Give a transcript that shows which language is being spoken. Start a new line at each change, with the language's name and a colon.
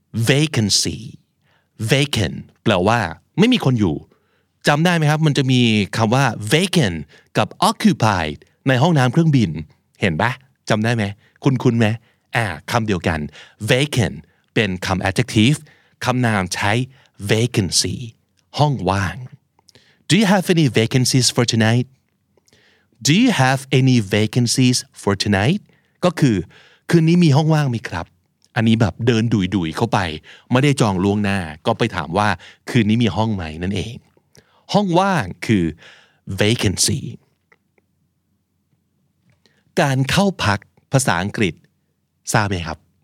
Thai: vacancy vacant แปลว่าไม่มีคนอยู่จำได้ไหมครับมันจะมีคำว่า vacant กับ occupied ในห้องน้ำเครื่องบินเห็นปะจำได้ไหมคุ้นไหมคำเดียวกัน vacant เป็นคำ adjective คำนามใช้ vacancy ห้องว่าง
English: Do you have any vacancies for tonight? Do you have any vacancies for tonight?
Thai: ก็คือคืนนี้มีห้องว่างไหมครับอันนี้แบบเดินดุยๆเข้าไปไม่ได้จองล่วงหน้าก็ไปถามว่าคืนนี้มีห้องไหมนั่นเองห้องว่างคือ vacancy การเข้าพักภาษาอังกฤษทราบไหมครับ